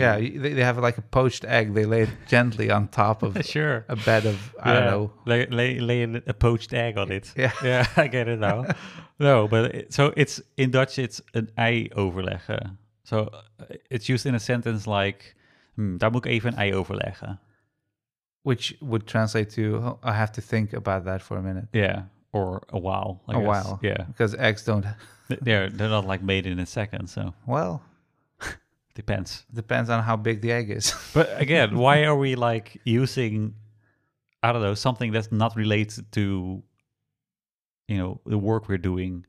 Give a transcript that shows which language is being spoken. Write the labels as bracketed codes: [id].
[en] Yeah, they have like a poached egg. They lay it gently on top of sure. a bed of, I don't know. Laying a poached egg on it. Yeah. Yeah, I get it now. No, but it's in Dutch, it's an [nl] ei overleggen. [en] So it's used in a sentence like... [nl] daar moet ik even een ei overleggen. [en] Which would translate to, I have to think about that for a minute. Yeah, or a while. I guess. Yeah. Because eggs don't... they're not like made in a second, so... Well... Depends. Depends on how big the egg is. But again, why are we like using, I don't know, something that's not related to, you know, the work we're doing?